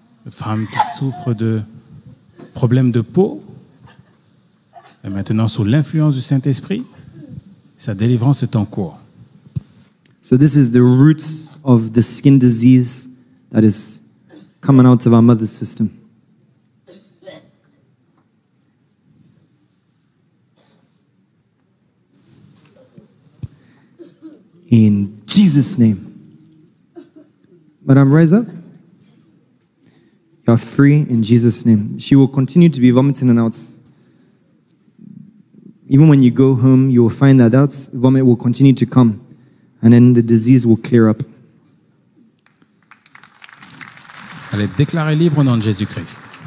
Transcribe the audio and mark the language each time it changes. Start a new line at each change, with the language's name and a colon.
French: Femme qui souffre de problèmes de peau est maintenant sous l'influence du Saint-Esprit. Sa délivrance est en cours.
English: So this is the roots of the skin disease that is coming out of our mother's system. In Jesus' name. Madam, rise up. You are free in Jesus' name. She will continue to be vomiting and out. Even when you go home, you will find that that vomit will continue to come. And then the disease will clear up.
French: Elle est déclarée libre au nom de Jésus-Christ.